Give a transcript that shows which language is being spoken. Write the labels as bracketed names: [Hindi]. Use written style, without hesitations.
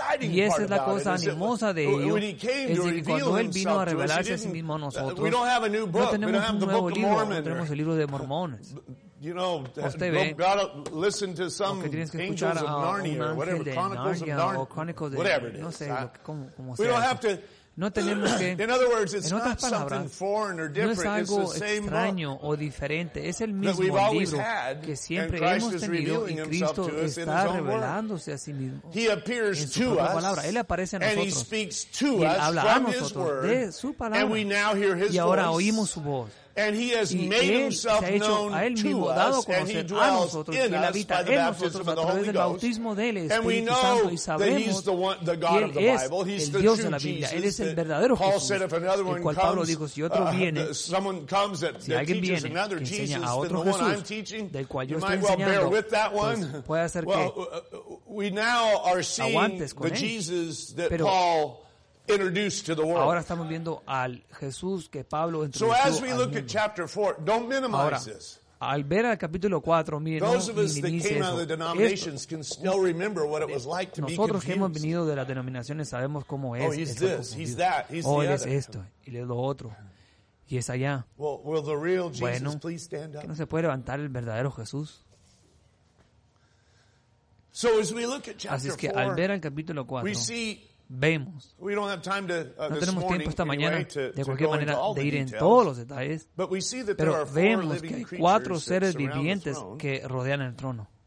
[Spanish] Y esa es la cosa animosa de ello. Es decir, que cuando Él vino a revelarse a sí mismo a nosotros, no tenemos un nuevo libro, no tenemos el libro de Mormones. Usted ve, que tienes que escuchar a un ángel de Narnia o Chronicles de Narnia, no sé cómo sea. No tenemos que, [English] in other words, it's not something foreign or different. [Spanish] No es algo extraño o diferente. Es el mismo libro que siempre hemos tenido y Cristo está revelándose a sí mismo en su propia palabra. Él aparece a nosotros y Él habla a nosotros de su palabra y ahora oímos su voz. [English] And he has made himself known [Spanish] a él mismo, dado a conocer a nosotros, y él habita en nosotros a través del bautismo del Espíritu Santo, y sabemos que Él es el Dios de la Biblia, Él es el verdadero Jesús, el cual Pablo dijo, si otro viene, si alguien viene que enseña a otro Jesús del cual yo estoy enseñando, pues puede ser que aguantes con él. Pero [English] introduced to the world. [Spanish] Ahora estamos viendo al Jesús que Pablo introdujo. [English] So as we look at chapter 4, don't minimize this. [Spanish] Al ver al capítulo 4, miren, [English] those of us that came out of the denominations can still remember what it was like to be confused. [Spanish] Nosotros que hemos venido de las denominaciones sabemos cómo es. [English] Oh, he's this, he's that, he's the other. [Spanish] Oh, es esto, y es lo otro, y es allá. [English] Well, will the real Jesus please stand up? [Spanish] ¿Que no se puede levantar el verdadero Jesús? [English] So as we look at chapter 4, [Spanish] así es que al ver al capítulo 4, [English] we see. [Spanish] Vemos. [English] We don't have time to, [Spanish] no tenemos tiempo esta mañana, de cualquier manera, de ir en todos los detalles. Pero vemos que hay cuatro seres vivientes que rodean el trono.